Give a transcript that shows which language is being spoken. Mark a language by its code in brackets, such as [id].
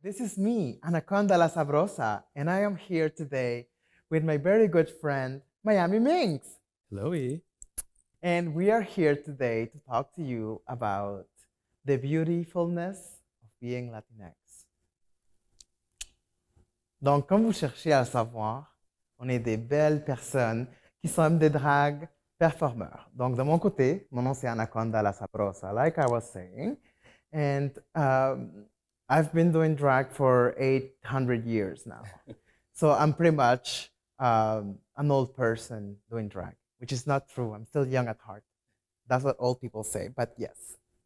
[en] This is me, Anaconda La Sabrosa, and I am here today with my very good friend, Miami Minx. Hello. And we are here today to talk to you about the beautifulness of being Latinx. [fr] Donc, comme vous cherchez à le savoir, on est des belles personnes qui sommes des drag performeurs. Donc, de mon côté, mon nom c'est Anaconda La Sabrosa, [en] like I was saying. And I've been doing drag for 800 years now. So I'm pretty much an old person doing drag, which is not true. I'm still young at heart. That's what old people say, but yes.